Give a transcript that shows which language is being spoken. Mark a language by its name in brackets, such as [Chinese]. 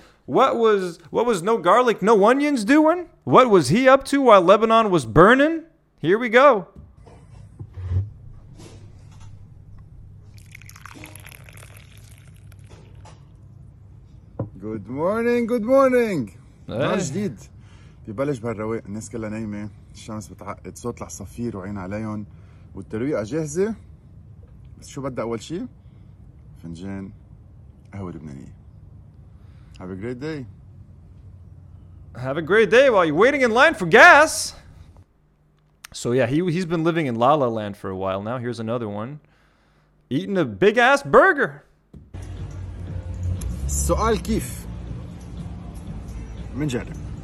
[English] What was no garlic, no onions doing? What was he up to while Lebanon was burning? Here we go. Good morning, good morning. [Arabic] ما جديد. ببلش بهالرواق الناس كلها نايمة الشمس بتعقد صوت العصافير وعين عليهم والترويقة جاهزة بس شو بدأ أول شيء فنجان قهوة لبنانية. [English] Have a great day. Have a great day while you're waiting in line for gas. So yeah, he's been living in La La Land for a while now. Here's another one. Eating a big ass burger. [Arabic] سؤال كيف من جرب